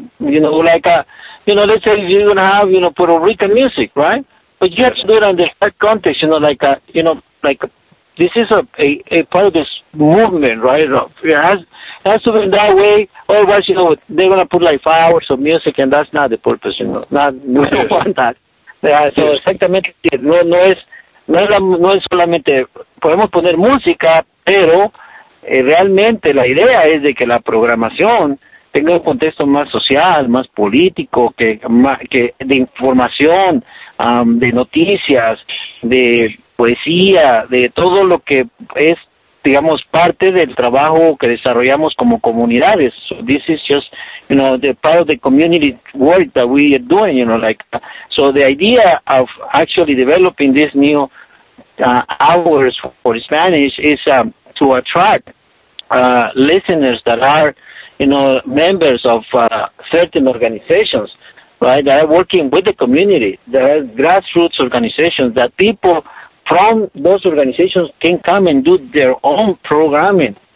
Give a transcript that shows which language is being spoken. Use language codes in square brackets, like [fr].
[en] You know, like a, you know, let's say you're gonna have, you know, Puerto Rican music, right? But you have to do it under that context, you know, like a, you know, like a, this is a part of this movement, right? It has to be in that way. Otherwise, you know, they're gonna put like 5 hours of music, and that's not the purpose, you know. We don't want that. Yeah, so [es] exactamente, no es solamente podemos poner música, pero realmente la idea es de que la programación tenga un contexto más social, más político, que de información, de noticias, de poesía, de todo lo que es, digamos, parte del trabajo que desarrollamos como comunidades. [en] So this is just, you know, the part of the community work that we are doing, you know, like, so the idea of actually developing this new hours for Spanish is to attract listeners that are, you know, members of certain organizations, right, that are working with the community, that are grassroots organizations, that people from those organizations can come and do their own programming.